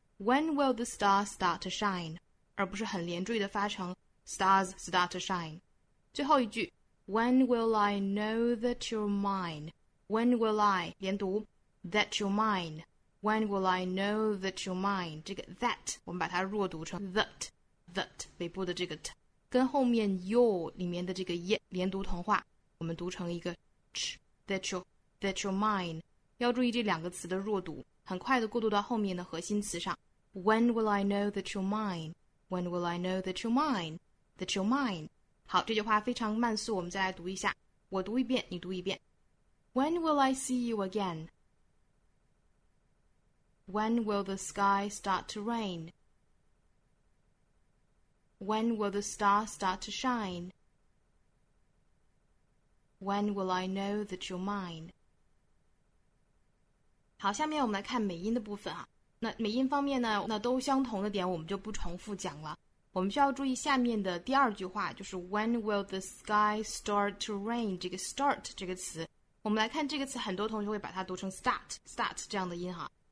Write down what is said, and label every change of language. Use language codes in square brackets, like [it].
[en] When will the star start to shine? [zh] 而不是很连缀的发成 [en] stars start to shine. [zh] 最后一句， [en] When will I know that you're mine? When will I, 连读 that you're mine? When will I know that you're mine? [zh] 这个 that, 我们把它弱读成 that, that, 尾部的这个 t, 跟后面 your 里面的这个 yet, 连读同化，我们读成一个 ch, that you're mine. 要注意这两个词的弱读，很快的过渡到后面的核心词上。 [en] When will I know that you're mine? When will I know that you're mine? That you're mine. [zh] 好，这句话非常慢速，我们再来读一下。我读一遍，你读一遍。 [en] When will I see you again? When will the sky start to rain? When will the star start to shine? When will I know that you're mine? [zh] 好，下面我们来看美音的部分啊。那美音方面呢，那都相同的点我们就不重复讲了。我们需要注意下面的第二句话，就是 [en] When will the sky start to rain? [zh] 这个 start 这个词。我们来看这个词，很多同学会把它读成 start 这样的音哈。